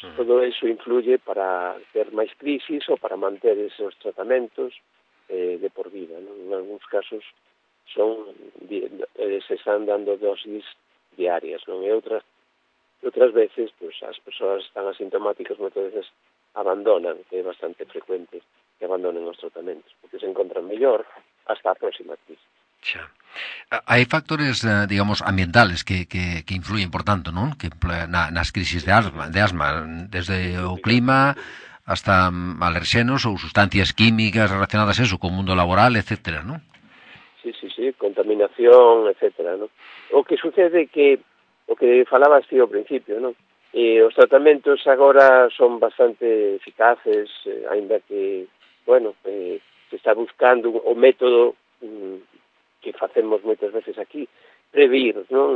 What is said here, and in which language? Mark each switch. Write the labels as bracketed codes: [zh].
[gl] todo eso influye para ter máis crisis ou para manter esos tratamentos de por vida, non? En algúns casos [es] se están dando dosis diarias, ¿no? Y otras veces, pues las personas están asintomáticas, muchas veces abandonan, que es bastante frecuente que abandonen los tratamientos, porque se encuentran mejor hasta la próxima crisis. Ya. Hay factores, digamos, ambientales que influyen, por tanto, ¿no? [gl] Que nas crisis de asma, desde o clima hasta alerxenos ou sustancias químicas relacionadas a eso, con o mundo laboral, etcétera, ¿no? [es] Sí, contaminación, etcétera, ¿no? [gl] O que sucede que, o que falabas ti ao principio, ¿no? Os tratamentos agora son bastante eficaces, ainda que, bueno, se está buscando o método que facemos moitas veces aquí, previr, non?